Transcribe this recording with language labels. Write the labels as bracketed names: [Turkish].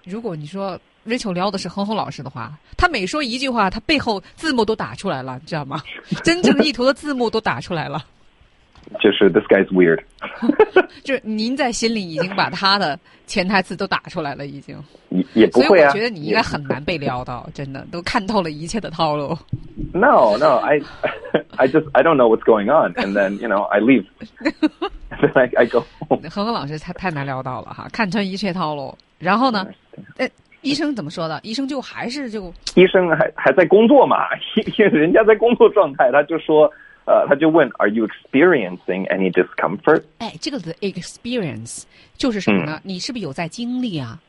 [Chinese] 如果你说 Rachel 聊的是哼哼老师的话，他每说一句话，他背后字幕都打出来了，你知道吗？真正意图的字幕都打出来了。就是 [English] this guy's weird， [Chinese] 就是您在心里已经把他的潜台词都打出来了，已经也不会啊。所以我觉得你应该很难被撩到，真的都看透了一切的套路。 [English] No, I don't know what's going on, and then you know I leave, then I go home。 [Chinese] 恒恒老师太难撩到了哈，看穿一切套路。然后呢，医生怎么说的？医生就医生还在工作嘛，因为人家在工作状态，他就说。他就问 [English] ，Are you experiencing any discomfort？ [Chinese] 哎，这个的 experience 就是什么呢？你是不是有在经历啊？